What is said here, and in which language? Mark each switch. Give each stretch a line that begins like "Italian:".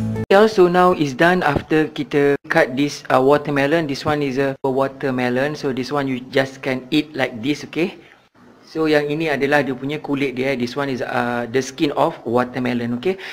English: So now is done after
Indonesian: kita
English: cut this watermelon. This one is a watermelon. So this one you just can eat like this, okay?
Indonesian: So yang ini adalah dia punya kulit dia.
English: This one is the skin of watermelon, okay?